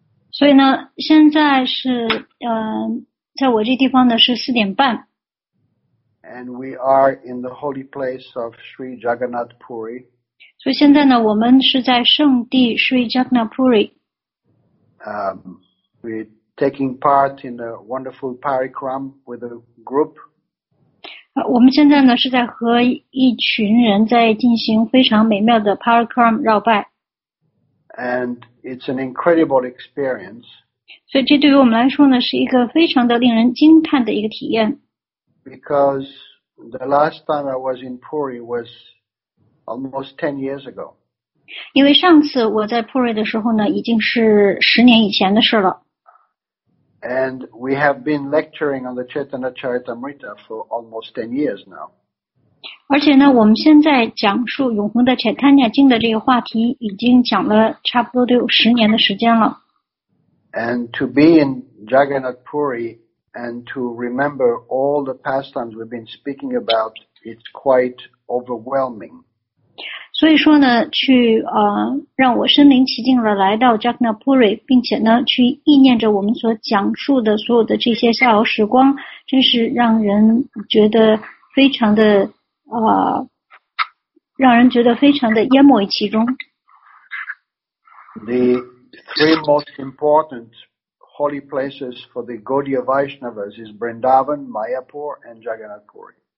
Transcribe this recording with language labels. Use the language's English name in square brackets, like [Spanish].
[Chinese] 所以呢，现在是在我这地方呢是四点半。 [English] And we are in the holy place of Sri Jagannath Puri. [Chinese] 所以现在呢，我们是在圣地 Sri Jagannath Puri. [English] We're taking part in a wonderful parikram with a group. [Chinese] 我们现在呢是在和一群人在进行非常美妙的 parikram 绕拜。 [English] And it's an incredible experience. [Chinese] 所以这对于我们来说呢，是一个非常的令人惊叹的一个体验。 [English] Because the last time I was in Puri was almost 10 years ago. [Chinese] 因为上次我在 Puri 的时候呢，已经是十年以前的事了。 [English] And we have been lecturing on the Chaitanya Charitamrita for almost 10 years now. [Chinese] 而且呢，我们现在讲述永恒的 Chaitanya 经的这个话题已经讲了差不多都有十年的时间了。 [English] And to be in Jagannath Puri and to remember all the pastimes we've been speaking about, it's quite overwhelming. [Chinese] 所以说呢，去让我身临其境的来到 Jagannath Puri, 并且呢去意念着我们所讲述的所有的这些逍遥时光，真是让人觉得非常的让人觉得非常的淹没其中。 [English] The three most important holy places for the Gaudiya Vaishnavas is Vrindavan, Mayapur, and Jagannath Puri.